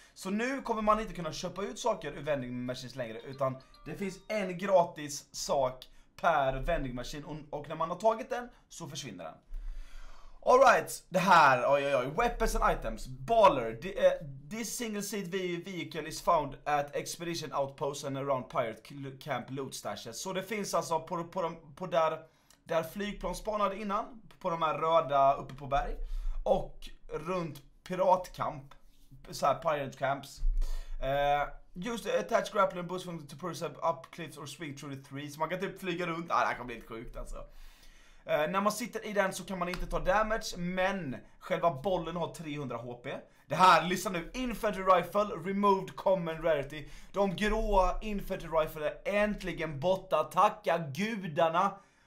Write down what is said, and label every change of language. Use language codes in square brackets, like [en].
[sv] Så nu kommer man inte kunna köpa ut saker ur vending machines längre, utan det finns en gratis sak per vending machine och när man har tagit den så försvinner den. [en] All right, [sv] det här, oj, [en] weapons and items. Baller, this single seat vehicle is found at expedition outposts and around pirate camp loot stashes. [sv] Så det finns alltså på där flygplan spanade innan, på de här röda uppe på berg och runt piratkamp, så här [en] pirate camps. Just attach grappling boost from to push up cliffs or swing through the trees. [sv] Man kan typ flyga runt. Det här kan bli lite sjukt alltså. När man sitter i den så kan man inte ta damage, men själva bollen har 300 HP. Det här, lyssna nu, Infantry Rifle, [en] removed common rarity. [sv] De gråa Infantry Rifle är äntligen borta, tacka gudarna.